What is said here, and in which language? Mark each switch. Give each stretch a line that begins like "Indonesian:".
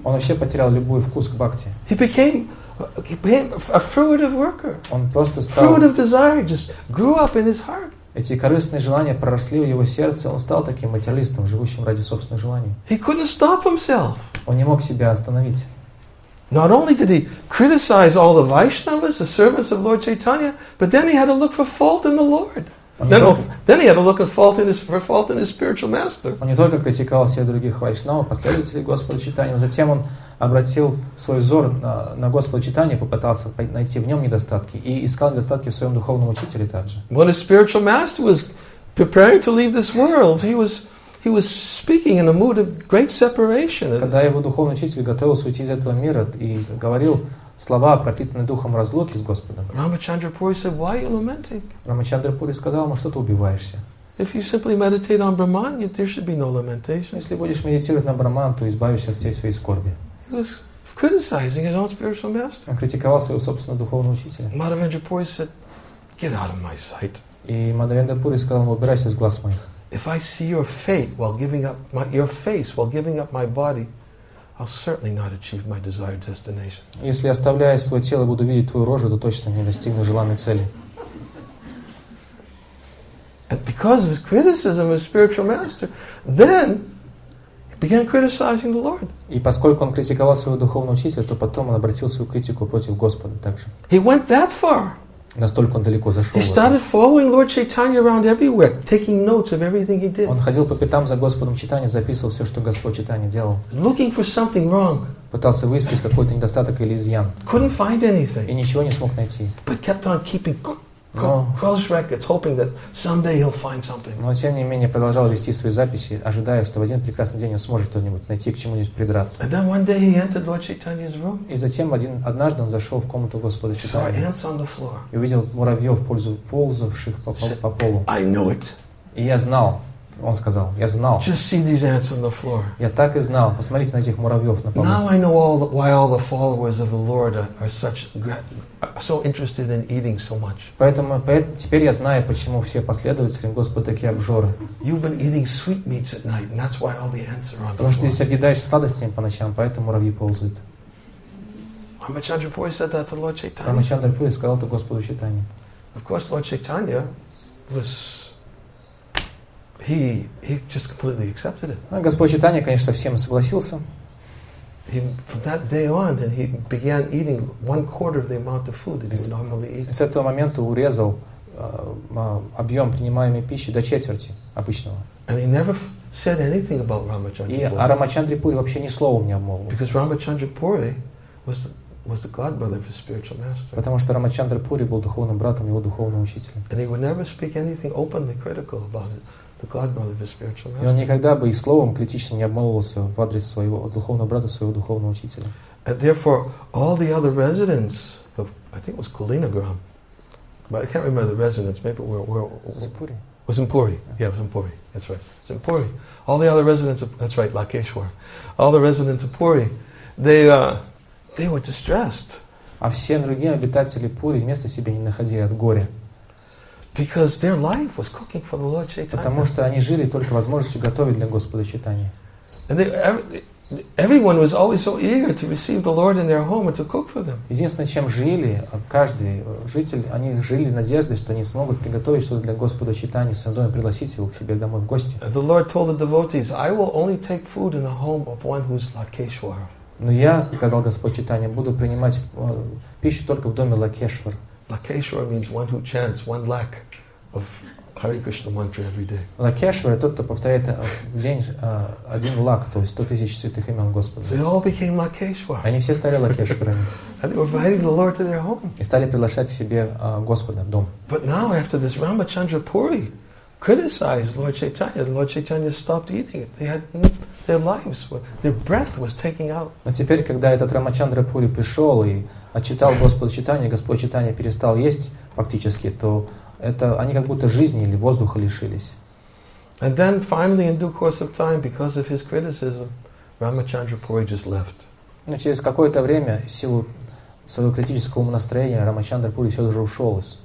Russian: Он вообще потерял любой вкус к бхакти.
English: He became a fruitive worker.
Russian: Он просто стал.
English: Fruitive desire just grew up in his heart.
Russian: Эти корыстные желания проросли в его сердце, он стал таким материалистом, живущим ради собственных желаний.
English: He couldn't stop himself.
Russian: Он не мог себя остановить.
English: Not only did he criticize all the Vaishnavas, the servants of Lord Chaitanya, but then he had to look for fault in the Lord. Then he had to look for fault in his spiritual master.
Russian: Он не только критиковал всех других вайшнавов, последователей Господа Чайтаньи, но затем он обратил свой взор на Господа Чайтанью, попытался найти в нем недостатки и искал недостатки в своем духовном учителе также.
English: When his spiritual master was preparing to leave this world, he was speaking in a mood of great separation.
Russian: Когда его духовный учитель готовился уйти из этого мира и говорил слова, пропитанные духом разлуки с Господом.
English: Рамачандра Пури said, "Why are you lamenting?"
Russian: Рамачандра Пури сказал ему, что ты убиваешься.
English: If you simply meditate on Brahman, there should be no lamentation.
Russian: Если будешь медитировать на Брахман, то избавишься от всей своей скорби.
English: He was criticizing his own spiritual master.
Russian: Он критиковал своего собственного духовного учителя.
English: Madhavendra Puri said, "Get out of my sight."
Russian: И Мадхавендра Пури сказал ему, убирайся с глаз моих.
English: If I see your fate while giving up your face while giving up my body, I'll certainly not achieve my desired destination.
Russian: Если оставляя свое тело, буду видеть твою рожу, то точно не достигну желанной цели.
English: And because of his criticism of his spiritual master, then he began criticizing the Lord.
Russian: И поскольку он критиковал своего духовного учителя, то потом он обратил свою критику против Господа также.
English: He went that far.
Russian: Настолько он далеко зашел.
English: He started following Lord Chaitanya around everywhere, taking notes of everything he did.
Russian: Он ходил по пятам за Господом Чайтаньей, записывал все, что Господь Чайтанья делал.
English: Looking for something wrong.
Russian: Пытался выискать какой-то недостаток или изъян.
English: Couldn't find anything.
Russian: И ничего не смог найти.
English: But kept on keeping close records, hoping that someday he'll find something.
Russian: Но тем не менее продолжал вести свои записи, ожидая, что в один прекрасный день он сможет что-нибудь найти, к чему-нибудь придраться.
English: And then one day he entered Lord Chaitanya's room.
Russian: И затем однажды он зашел в комнату Господа Чайтаньи.
English: Saw ants on the floor.
Russian: И увидел муравьев, ползавших по полу.
English: I knew it.
Russian: И я знал, он сказал, я знал.
English: Just see these ants on the floor.
Russian: Я так и знал. Посмотрите на этих муравьев на полу.
English: Now I know why all the followers of the Lord are such great. So interested in eating so much.
Russian: Поэтому теперь я знаю, почему все последователи Господа такие обжоры.
English: You've been eating sweetmeats at night, and that's why all the ants are on the floor.
Russian: Потому что ты съедаешь сладостями по ночам, поэтому муравьи ползают.
English: Рамачандра Пури said that to Lord Chaitanya.
Russian: Рамачандра Пури сказал это Господу Чайтанье.
English: Of course, Lord Chaitanya was he just completely accepted it.
Russian: Господь Чайтанья, конечно, совсем согласился.
English: He, from that day on, then he began eating one quarter of the amount of food that he would normally eat.
Russian: С этого момента урезал объем принимаемой пищи до четверти обычного.
English: And he never said anything about Рамачандра Пури.
Russian: И о Рамачандре Пури вообще ни слова не обмолвился.
English: Because Рамачандра Пури was the godbrother of his spiritual master.
Russian: Потому что Рамачандра Пури был духовным братом его духовного учителя.
English: And he would never speak anything openly critical about it. The godbrother of his spiritual master.
Russian: И он никогда бы и словом критично не обмолвался в адрес своего духовного брата, своего духовного учителя.
English: And therefore, all the other residents of, I think it was Kulinagram, but I can't remember the residents, maybe where was it Puri? Was in Puri. Yeah. Yeah, it was in Puri. That's right. It's in Puri. All the other residents of, that's right, Lakeshwar. All the residents of Puri, they were distressed.
Russian: А все другие обитатели Пури места себе не находили от горя.
English: Because their life was cooking for the Lord Chaitanya.
Russian: Потому что они жили только возможностью готовить для Господа Чайтаньи.
English: And everyone was always so eager to receive the Lord in their home and to cook for them.
Russian: Единственное, чем жили каждый житель, они жили надеждой, что они смогут приготовить что-то для Господа Чайтаньи, в своем доме пригласить его к себе домой в гости.
English: And the Lord told the devotees, "I will only take food in the home of one who is Lakeshwar."
Russian: Но я, сказал Господь Чайтанья, буду принимать пищу только в доме Лакешвар.
English: Lakeshwar means one who chants one lakh of Hare Krishna mantra every day.
Russian: Lakeshwar – тот, кто повторяет в день один лак, то есть 100 тысяч святых имен Господа.
English: They all became Lakeshwar.
Russian: Они все стали Лакешварами.
English: And they were inviting the Lord to their home.
Russian: И стали приглашать к себе Господа в дом.
English: But now, after this Ramachandra Puri criticized Lord Chaitanya, Lord Chaitanya stopped eating it. Their lives were, their breath was taking out.
Russian: Но теперь, когда этот Рамачандра Пури пришел и отчитал Господа Чайтанью, Господь Чайтанья перестал есть фактически, то это они как будто жизни или воздуха лишились.
English: And then finally, in due course of time, because of his criticism, Ramachandra Puri just left.
Russian: Но через какое-то время, в силу своего критического настроения, Рамачандра Пури все же ушел из